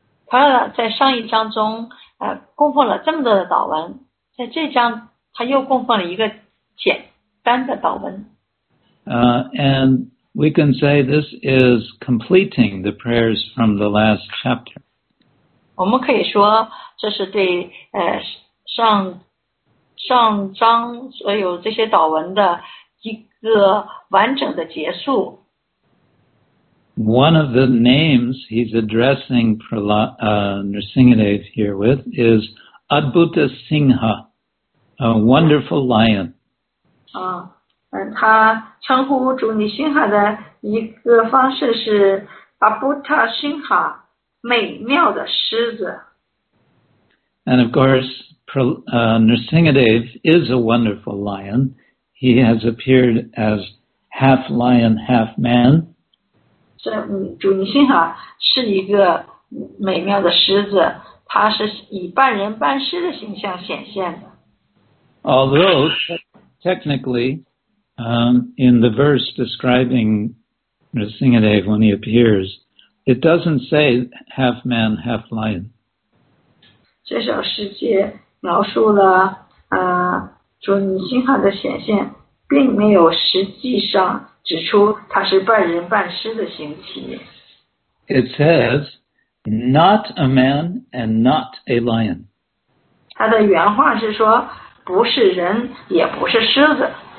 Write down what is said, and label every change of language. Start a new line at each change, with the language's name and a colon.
Chinese: Prahlad 在上一章中供奉了这么多的祷文，在这章他又供奉了一个简单的祷文。
English: And we can say this is completing the prayers from the last chapter.
Chinese: 我们可以说这是对上章所有这些祷文的一个完整的结束。
English: One of the names he's addressing Nrsingadev here with is Adbhuta Singha, a wonderful lion.
Chinese: 他称呼主尼辛哈的一个方式是阿布塔辛哈，美妙的狮子。
English: And of course, Nrsingadev is a wonderful lion. He has appeared as half lion, half man.
Chinese: 这主尼辛哈是一个美妙的狮子，他是以半人半狮的形象显现的。
English: Although technically,in the verse describing Nrsingadev when he appears, it doesn't say half man, half lion.
Chinese: 这首诗节描述了主尼辛哈的显现，并没有实际上指出他是半人半狮的形体。
English: It says, not a man and not a lion.
Chinese: 它的原话是说，不是人，也不是狮子。